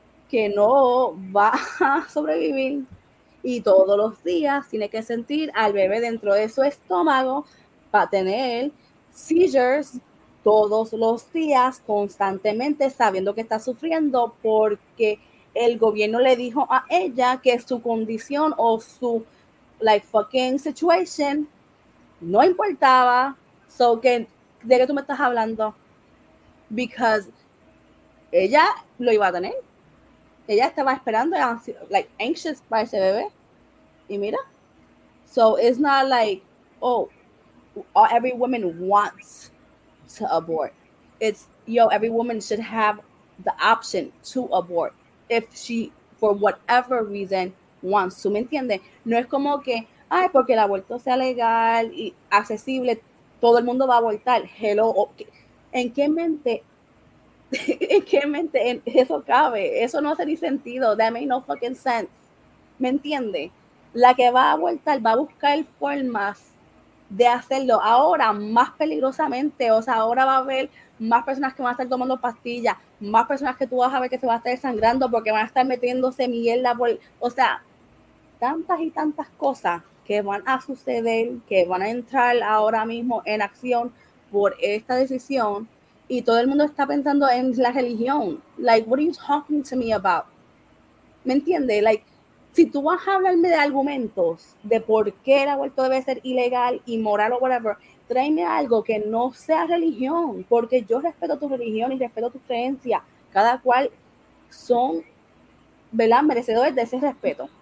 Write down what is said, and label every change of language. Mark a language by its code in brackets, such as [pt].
[es] que no va a sobrevivir y todos los días tiene que sentir al bebé dentro de su estómago para tener seizures todos los días, constantemente sabiendo que está sufriendo porque el gobierno le dijo a ella que su condición o su [en] like fucking situation [es] no importaba. So que, ¿de qué tú me estás hablando? [en] Because [es] ella lo iba a tener. Ella estaba esperando, like, [en] anxious [es] para ese bebé. Y mira. [en] So it's not like, oh, every woman wants to abort. It's, yo, every woman should have the option to abort if she, for whatever reason, wants to. [es] ¿Me entiendes? No es como que, ay, porque el aborto sea legal y accesible, todo el mundo va a abortar. Hello. Okay. ¿En qué mente? ¿En qué mente eso cabe? Eso no hace ni sentido. [en] That made no fucking sense. [es] ¿Me entiende? La que va a abortar va a buscar formas de hacerlo ahora más peligrosamente. O sea, ahora va a haber más personas que van a estar tomando pastillas, más personas que tú vas a ver que se va a estar sangrando porque van a estar metiéndose mierda por... O sea, tantas y tantas cosas que van a suceder, que van a entrar ahora mismo en acción por esta decisión. Y todo el mundo está pensando en la religión. [en] Like, what are you talking to me about? [es] ¿Me entiendes? Like, si tú vas a hablarme de argumentos de por qué el aborto debe ser ilegal, inmoral o whatever, tráeme algo que no sea religión. Porque yo respeto tu religión y respeto tu creencia. Cada cual son, ¿verdad?, merecedores de ese respeto.